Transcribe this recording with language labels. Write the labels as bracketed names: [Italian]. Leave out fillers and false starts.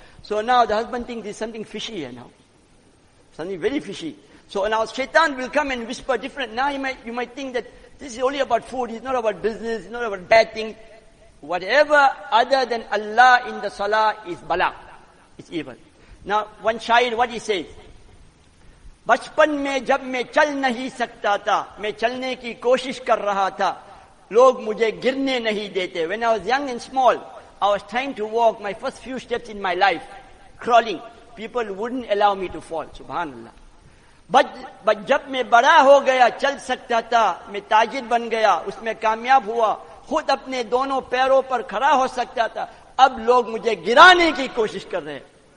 [English] So now the husband thinks there's something fishy here now. Something very fishy. So now shaitan will come and whisper different. Now you might think that this is only about food. It's not about business. It's not about bad things. Whatever other than Allah in the salah is bala. It's evil. Now one shayir, what he says? [Urdu] بچپن میں جب میں چل نہیں سکتا تھا میں چلنے کی کوشش کر رہا تھا لوگ مجھے گرنے نہیں دیتے. [English] When I was young and small, I was trying to walk my first few steps in my life, crawling. People wouldn't allow me to fall. Subhanallah. [Urdu] But جب میں بڑا ہو گیا چل سکتا تھا میں تاجر بن گیا اس میں کامیاب ہوا خود اپنے دونوں پیروں پر کھڑا ہو سکتا تھا اب لوگ مجھے گرانے کی کوشش کر رہے ہیں.